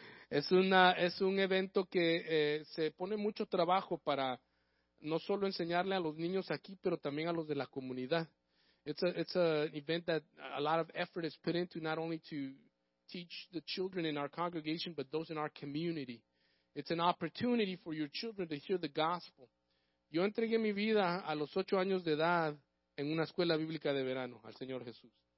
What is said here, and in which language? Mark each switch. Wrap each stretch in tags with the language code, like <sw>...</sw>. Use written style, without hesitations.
<es>es un evento que se pone mucho trabajo para no solo enseñarle a los niños aquí, pero también a los de la comunidad.</es> <en>It's an event that a lot of effort is put into, not only to teach the children in our congregation, but those in our community. It's an opportunity for your children to hear the gospel.</en> <es>Yo entregué mi vida a los 8 años de edad en una escuela bíblica de verano al Señor Jesús.</es>